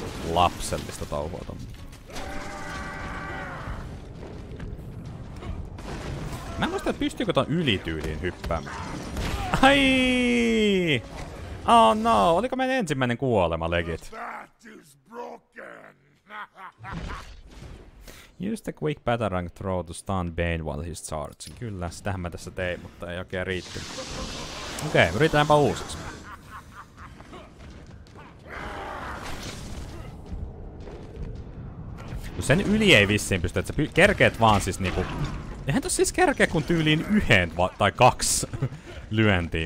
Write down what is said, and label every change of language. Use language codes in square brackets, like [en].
[fi] Lapsellista touhua tonne. Mä en muista, että pystyykö ton ylityyliin hyppäämään. Ai! Oh no, oliko meidän ensimmäinen kuolema, legit? [en] Use the quick batarang throw to stun Bane while he's charging. [fi] Kyllä, sitähän mä tässä tein, mutta ei oikein riittynyt. Okei, yritetäänpä uusiksi. No sen yli ei vissiin pysty, että sä kerkeet vaan siis niinku... Eihän tossa siis kerkeä kun tyyliin yhden tai kaksi lyöntiä.